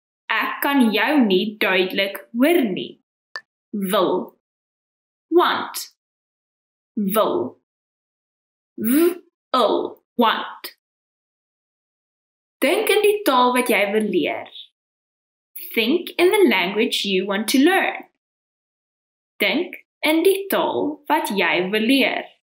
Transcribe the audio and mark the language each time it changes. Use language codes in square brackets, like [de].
[af] Ek kan jou nie duidelik hoor nie. Wil. Want. Wil. [en] W-l. Want. [af] Dink in die taal wat jy wil leer. [en] Think in the language you want to learn. [af] Dink in die taal wat jy wil leer.